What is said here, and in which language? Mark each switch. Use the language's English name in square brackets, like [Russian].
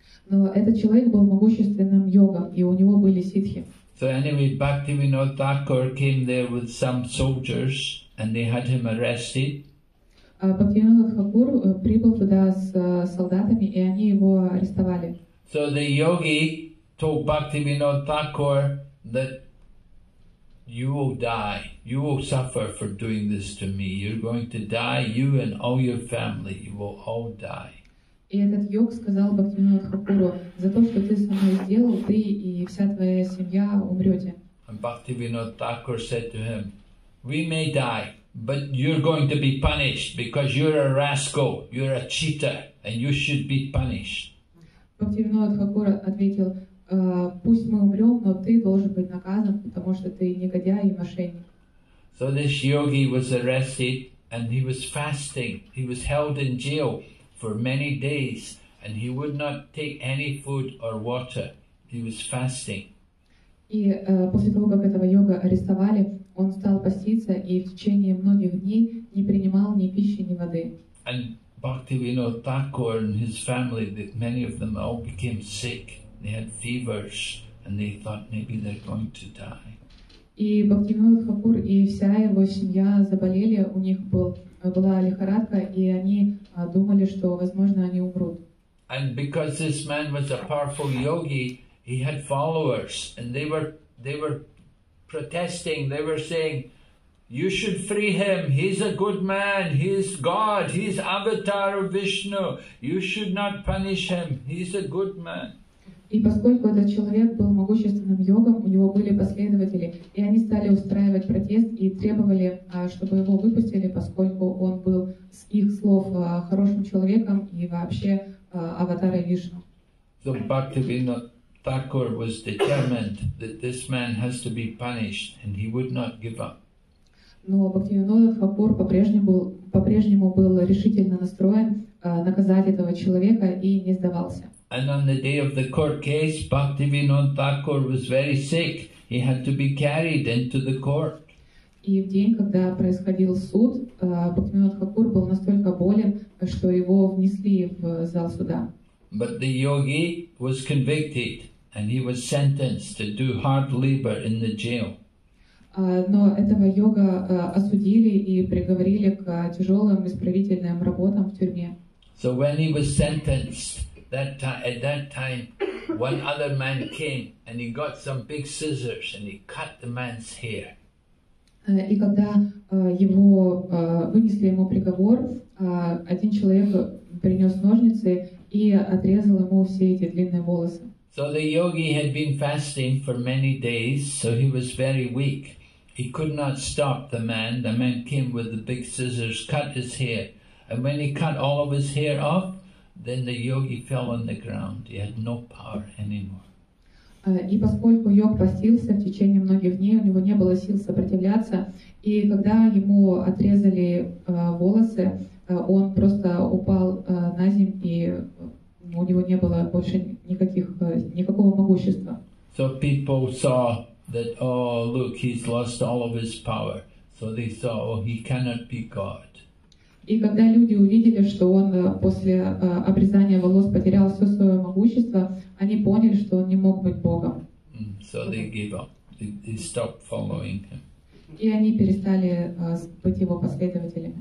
[Russian] Но этот человек был могущественным йогом, и у него были ситхи. [English] So anyway, Bhaktivinoda Thakur came there with some soldiers, and they had him arrested. [Russian] Бхактивинода Тхакур прибыл туда с солдатами, и они его арестовали. [English] So the yogi told Bhaktivinoda Thakur that you will die, you will suffer for doing this to me. You're going to die, you and all your family, you will all die. [Russian] И этот йог сказал Бхактивинода Тхакуру, за то, что ты со мной сделал, ты и вся твоя семья умрете. [English] And Bhaktivinoda Thakur said to him, we may die, but you're going to be punished because you're a rascal, you're a cheater, and you should be punished. [Russian] Бхактивинода Тхакура ответил, пусть мы умрем, но ты должен быть наказан, потому что ты негодяй и мошенник. [English] So this yogi was arrested and he was fasting. He was held in jail for many days and he would not take any food or water. He was fasting. [Russian] И после того, как этого йога арестовали, он стал поститься и в течение многих дней не принимал ни пищи, ни воды. [English] And Bhaktivinoda Thakur and his family, many of them all became sick. They had fevers and they thought maybe they're going to die. [Russian] И Бхактивинода Тхакур и вся его семья заболели, у них была лихорадка, и они думали, что, возможно, они умрут. [English] And because this man was a powerful yogi, he had followers, and they were protesting. They were saying, "You should free him. He's a good man. He's God. He's avatar of Vishnu. You should not punish him. He's a good man." [Russian] И поскольку этот человек был могущественным йогом, у него были последователи, и они стали устраивать протест и требовали, чтобы его выпустили, поскольку он был, с их слов, хорошим человеком и вообще аватарой Вишну. [English] So Bhaktivinoda Thakur was determined that this man has to be punished, and he would not give up. [Russian] Но Бхактивинода Тхакур по-прежнему был решительно настроен наказать этого человека и не сдавался. [English] And on the day of the court case, Bhaktivinoda Thakur was very sick. He had to be carried into the court. [Russian] И в день, когда происходил суд, Бхактивинода Тхакур был настолько болен, что его внесли в зал суда. [English] But the yogi was convicted, and he was sentenced to do hard labor in the jail. [Russian] Но этого йога осудили и приговорили к тяжелым исправительным работам в тюрьме. [English] So when he was sentenced, At that time, one other man came and he got some big scissors and he cut the man's hair. [Russian] И когда его вынесли ему приговор, один человек принес ножницы и отрезал ему все эти длинные волосы. [English] So the yogi had been fasting for many days, so he was very weak. He could not stop the man. The man came with the big scissors, cut his hair, and when he cut all of his hair off, then the yogi fell on the ground. He had no power anymore. [Russian] И поскольку йог постился в течение многих дней, у него не было сил сопротивляться. И когда ему отрезали волосы, он просто упал на землю, и у него не было больше никакого могущества. [English] So people saw that, oh, look, he's lost all of his power. So they saw, oh, he cannot be God. [Russian] И когда люди увидели, что он после обрезания волос потерял все свое могущество, они поняли, что он не мог быть Богом. [English] So they gave up. They stopped following him. [Russian] И они перестали быть его последователями.